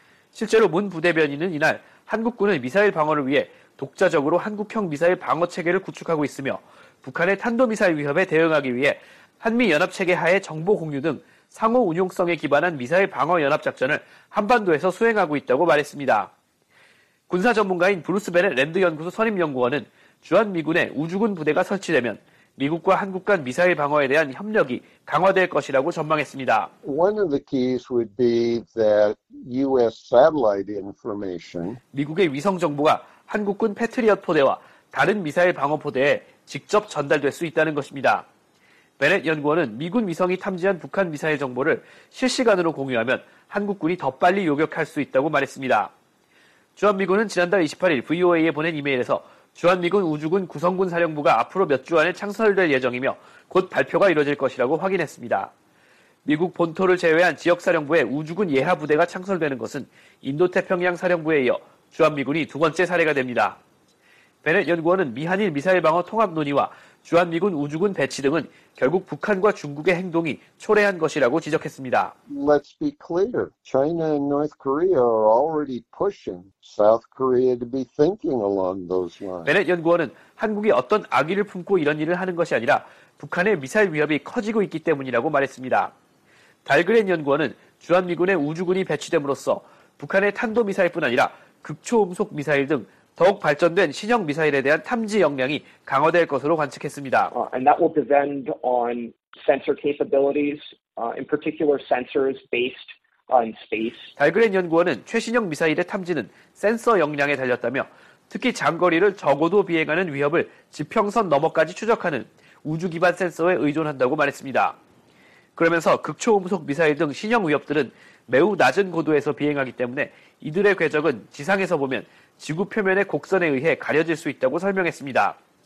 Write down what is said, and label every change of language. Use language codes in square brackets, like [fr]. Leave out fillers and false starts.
[ko] 실제로 문 부대변인은 이날 한국군은 미사일 방어를 위해 독자적으로 한국형 미사일 방어 체계를 구축하고 있으며 북한의 탄도미사일 위협에 대응하기 위해 한미연합체계 하에 정보 공유 등 상호 운용성에 기반한 미사일 방어 연합작전을 한반도에서 수행하고 있다고 말했습니다. 군사 전문가인 브루스 베넷 랜드 연구소 선임연구원은 주한미군의 우주군 부대가 설치되면 미국과 한국 간 미사일 방어에 대한 협력이 강화될 것이라고 전망했습니다. [en] One of the keys would be that US satellite information. [ko] 미국의 위성 정보가 한국군 패트리엇 포대와 다른 미사일 방어 포대에 직접 전달될 수 있다는 것입니다. 베넷 연구원은 미군 위성이 탐지한 북한 미사일 정보를 실시간으로 공유하면 한국군이 더 빨리 요격할 수 있다고 말했습니다. 주한미군은 지난달 28일 VOA에 보낸 이메일에서 주한미군 우주군 구성군 사령부가 앞으로 몇 주 안에 창설될 예정이며 곧 발표가 이뤄질 것이라고 확인했습니다. 미국 본토를 제외한 지역사령부의 우주군 예하 부대가 창설되는 것은 인도태평양 사령부에 이어 주한미군이 두 번째 사례가 됩니다. 베넷 연구원은 미한일 미사일 방어 통합 논의와 주한미군 우주군 배치 등은 결국 북한과 중국의 행동이 초래한 것이라고 지적했습니다. [en] Let's be clear. China and North Korea are already pushing South Korea to be thinking along those lines. [ko] 베넷 연구원은 한국이 어떤 악의를 품고 이런 일을 하는 것이 아니라 북한의 미사일 위협이 커지고 있기 때문이라고 말했습니다. 달그렌 연구원은 주한미군의 우주군이 배치됨으로써 북한의 탄도미사일뿐 아니라 극초음속 미사일 등 더욱 발전된 신형 미사일에 대한 탐지 역량이 강화될 것으로 관측했습니다. [en] And that will depend on sensor capabilities, in particular sensors based on space. [ko] 달그렌 연구원은 최신형 미사일의 탐지는 센서 역량에 달렸다며 특히 장거리를 적어도 비행하는 위협을 지평선 너머까지 추적하는 우주기반 센서에 의존한다고 말했습니다. 그러면서 극초음속 미사일 등 신형 위협들은 매우 낮은 고도에서 비행하기 때문에 이들의 궤적은 지상에서 보면 지구 표면의 곡선에 의해 가려질 수 있다고 설명했습니다.